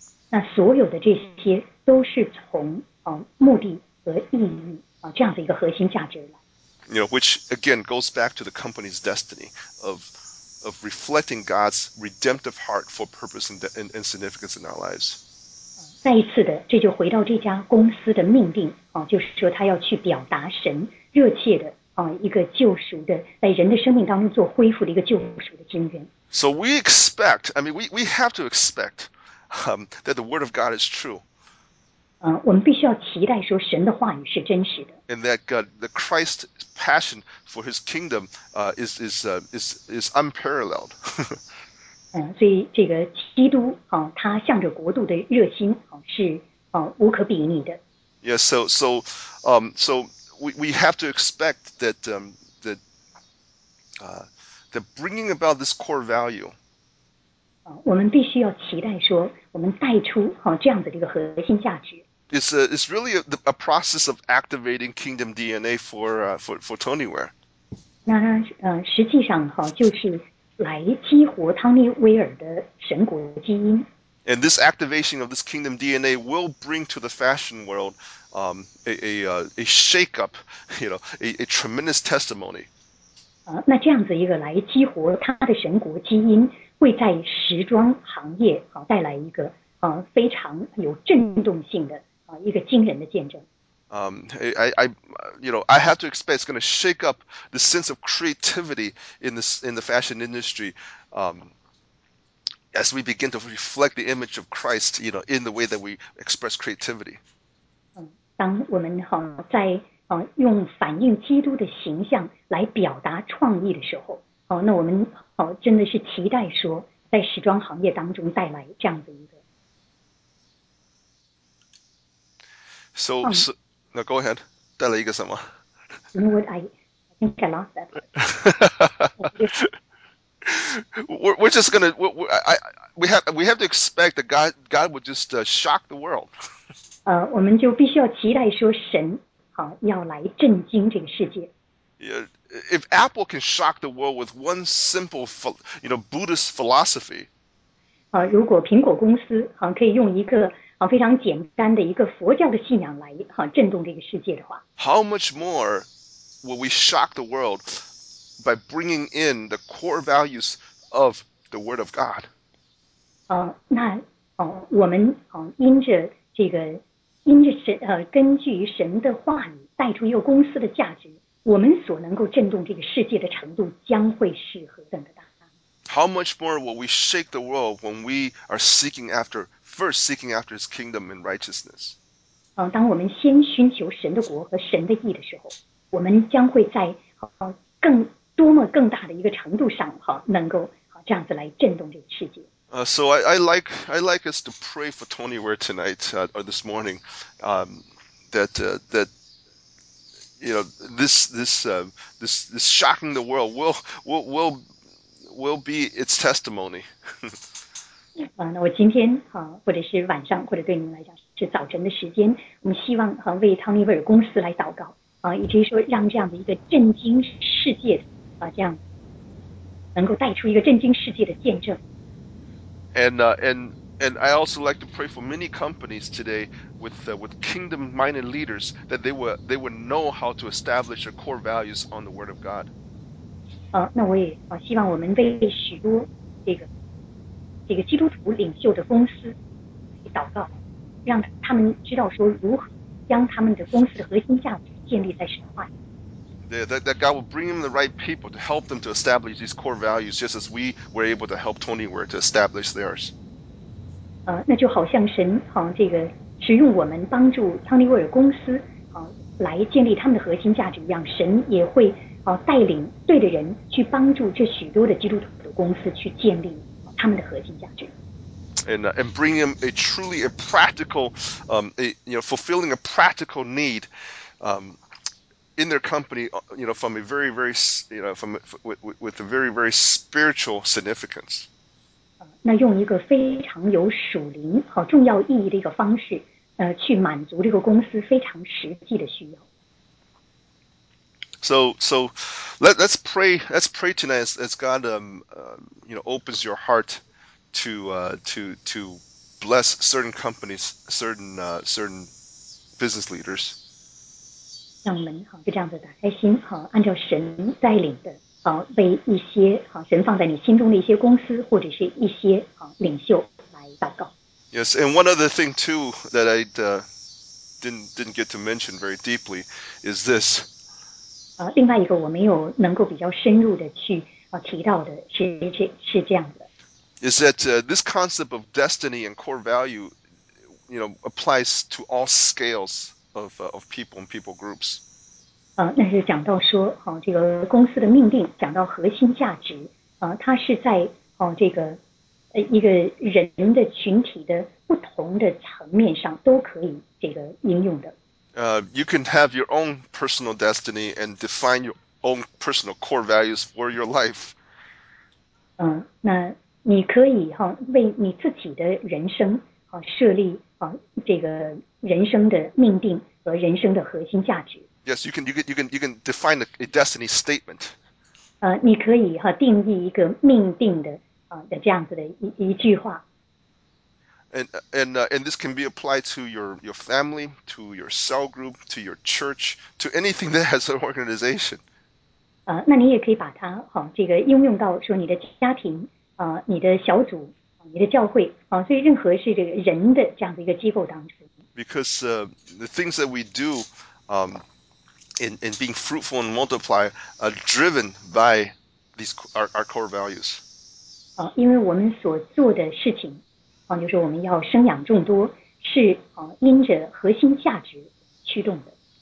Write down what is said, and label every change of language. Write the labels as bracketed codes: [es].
[zh] 那所有的这些都是从目的和意义这样的一个核心价值来。 [en] You know, which again goes back to the company's destiny of reflecting God's redemptive heart for purpose and significance in our lives. [zh] 再一次的，这就回到这家公司的命定就是说他要去表达神热切的一个救赎的，在人的生命当中做恢复的一个救赎的真源。 [en] So we expect, I mean, we have to expect. That the word of God is true. [zh] 我们必须要期待说神的话语是真实的。 [en] And that the Christ's passion for His kingdom is unparalleled. [zh] 所以这个基督他向着国度的热心是无可比拟的。 [en] Yeah, so we have to expect that that bringing about this core value. [zh] 我们必须要期待说我们带出这样的一个核心价值。 [en] It's really a process of activating kingdom DNA for Tony Ware. [zh] 那实际上就是来激活汤尼威尔的神国基因。 [en] And this activation of this kingdom DNA will bring to the fashion world a shake-up, you know, a tremendous testimony. [zh] 那这样子一个来激活他的神国基因会在时装行业带来一个非常有震动性的一个惊人的见证。 [en] I have to expect it's going to shake up the sense of creativity in the fashion industry as we begin to reflect the image of Christ, you know, in the way that we express creativity. [zh] 当我们在用反映基督的形象来表达创意的时候。那我们真的是期待说在时装行业当中带来这样的一个。 [en] So, now go ahead, [zh] 带来一个什么 [en] You know what, I think I lost that. we're just going to, we have to expect that God would just shock the world. [zh] 我们就必须要期待说神要来震惊这个世界。 [en] If Apple can shock the world with one simple, you know, Buddhist philosophy. [zh] 如果苹果公司可以用一个非常简单的一个佛教的信仰来震动这个世界的话。 [en] How much more will we shock the world by bringing in the core values of the Word of God? [zh] 那我们因着这个，因着神根据神的话语带出一个公司的价值。我们所能够震动这个世界的程度将会是何等的大。 [en] How much more will we shake the world when we are seeking after, first seeking after His kingdom and righteousness? [zh] 当我们先寻求神的国和神的义的时候，我们将会在更多么更大的一个程度上，能够这样子来震动这个世界。 [en] So I like us to pray for Tony Ware tonight, or this morning, that you know, this shocking the world will be its testimony. [zh] 那我今天或者是晚上，或者对您来讲是早晨的时间，我们希望为汤尼威尔公司来祷告以及说让这样的一个震惊世界这样能够带出一个震惊世界的见证。 [en] And I also like to pray for many companies today with kingdom-minded leaders that they would know how to establish their core values on the Word of God. [zh] 那我也希望我们为许多这个基督徒领袖的公司祷告，让他们知道说如何将他们的公司的核心价值建立在神话。 [en] That God will bring them the right people to help them to establish these core values, just as we were able to help Tony Ware to establish theirs. [zh] 那就好像神这个使用我们帮助汤尼威尔公司来建立他们的核心价值一样，神也会带领对的人去帮助这许多的基督徒的公司去建立他们的核心价值。 [en] And bring them a truly a practical, fulfilling a practical need, in their company, you know, from a very, very, you know, from with a very, very spiritual significance. [zh] 那用一个非常有属灵和重要意义的一个方式，去满足这个公司非常实际的需要。 [en] So let's pray tonight as God opens your heart to bless certain companies, certain business leaders. [zh] 让我们就这样子打开心，按照神带领的，为一些神放在你心中的一些公司或者是一些领袖来祷告。 [en] Yes, and one other thing too that I didn't get to mention very deeply is this. [zh] 另外一个我没有能够比较深入的去提到的是这样的。 [en] Is that this concept of destiny and core value, you know, applies to all scales of people and people groups. [zh] 那是讲到说，这个公司的命定，讲到核心价值，它是在这个一个人的群体的不同的层面上都可以这个应用的。 [en] You can have your own personal destiny and define your own personal core values for your life. [zh] 那你可以为你自己的人生设立这个人生的命定和人生的核心价值。 [en] Yes, you can define a destiny statement. [zh] 你可以定义一个命定的这样子的一句话。 [en] And this can be applied to your family, to your cell group, to your church, to anything that has an organization. [zh] 那你也可以把它这个应用到说你的家庭你的小组。你的教会所以任何是这个人的这样的一个机构当中。 [en] Because the things that we do, in being fruitful and multiply, are driven by these our core values. [zh] 因为我们所做的事情，就是我们要生养众多，是因着核心价值驱动的。